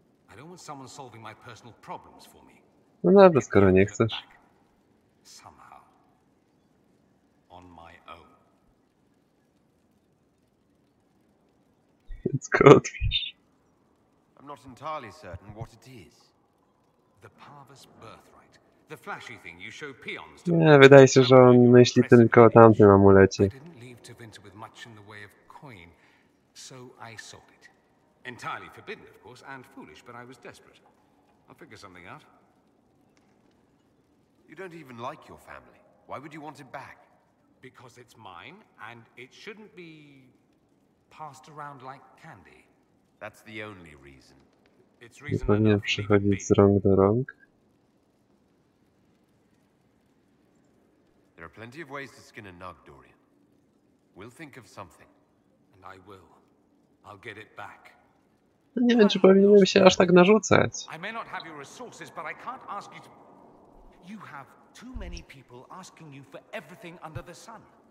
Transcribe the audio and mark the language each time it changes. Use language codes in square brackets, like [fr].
[en] I don't want someone solving my personal problems for me. [pl] No dobra, skoro nie chcesz. [en] Somehow, on my own. It's good. I'm not entirely certain what it is. The Parvus birthright, the flashy thing you show peons. [pl] Nie, wydaje się, że on myśli tylko o tamtym amulecie. [en] I didn't leave Tevinter with much in the way of coin, so I sold it. Entirely forbidden, of course, and foolish, but I was desperate. I'll figure something out. You don't even like your family. Why would you want it back? Because it's mine, and it shouldn't be passed around like candy. That's the only reason. It's reason enough to leave it be. There are plenty of ways to skin a nug, Dorian. We'll think of something. And I will. I'll get it back. [pl] No nie wiem, czy powinienem się aż tak narzucać. [en] I may not have your resources, but I can't ask you to... You have too many people asking you for everything under the sun.